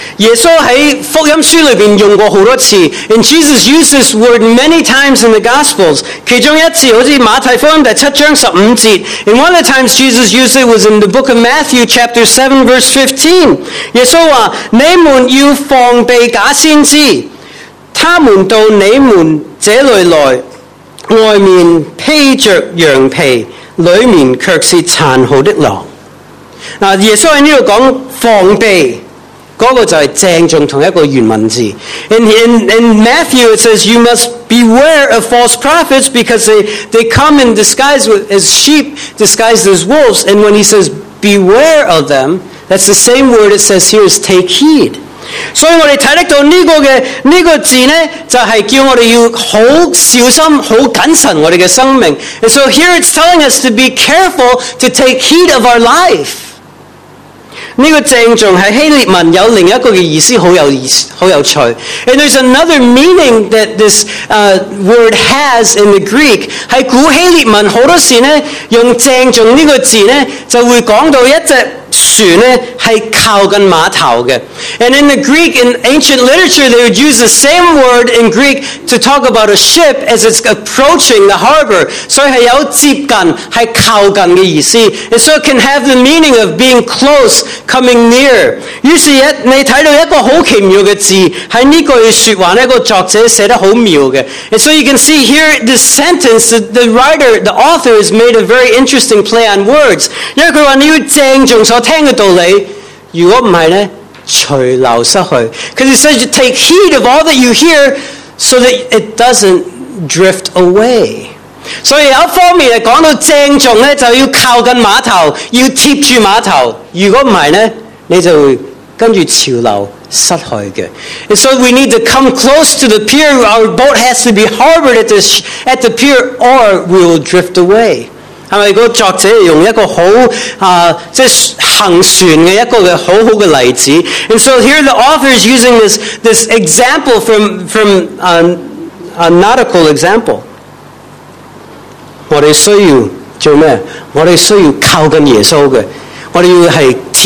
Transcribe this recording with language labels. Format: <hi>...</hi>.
<zh>耶稣在福音书里面用过很多次。</zh> <en>And Jesus used this word many times in the Gospels.</en> <zh>其中一次好像马太福音第七章十五节。</zh> <en>And one of the times Jesus used it was in the book of Matthew chapter 7 verse 15.</en> <zh>耶稣说你们要防备假先知。他们到你们这里来外面披着羊皮里面却是残酷的狼。耶稣在这里说防备，那个就是郑重同一个原文字。</zh> <en>In Matthew it says you must beware of false prophets because they come in disguise as sheep disguised as wolves. And when he says beware of them, that's the same word it says here is take heed.</en> <zh>所以我们看得到这个字呢，就是叫我们要很小心，很谨慎我们的生命。</zh> <en>And so here it's telling us to be careful to take heed of our life.</en> <zh>这个郑重在希腊文有另一个的意思，很有趣。</zh> <en>And there's another meaning that this word has in the Greek.</en> <zh>在古希腊文很多时呢，用郑重这个字呢，就会讲到一只船呢，是靠近码头的。</zh> <en>And in the Greek, in ancient literature, they would use the same word in Greek to talk about a ship as it's approaching the harbor.</en> <zh>所以是有接近，是靠近的意思。</zh> <en>And so it can have the meaning of being close, coming near.</en> <zh>于是你看到一个很奇妙的字，在这句说话，一个作者写得很妙的。</zh> <en>And so you can see here, this sentence, the writer, the author has made a very interesting play on words.</en> <zh>因为他说你要郑重所听的道理，如果不是呢，随流失去。</zh> <en>Because he says you take heed of all that you hear so that it doesn't drift away.</en> <zh>所以有一方面讲到郑重呢，就要靠近码头，要贴住码头。如果不是呢，你就会跟着潮流失去的。</zh> <en>And so we need to come close to the pier. Our boat has to be harbored at the pier or we will drift away.</en> <zh>是不是那个作者用一个很即行船的一个很好的例子。</zh> <en>And so here the author is using this example from a nautical example.</en> <zh>我们需要做什么？我们需要靠近耶稣的，我们要是</zh>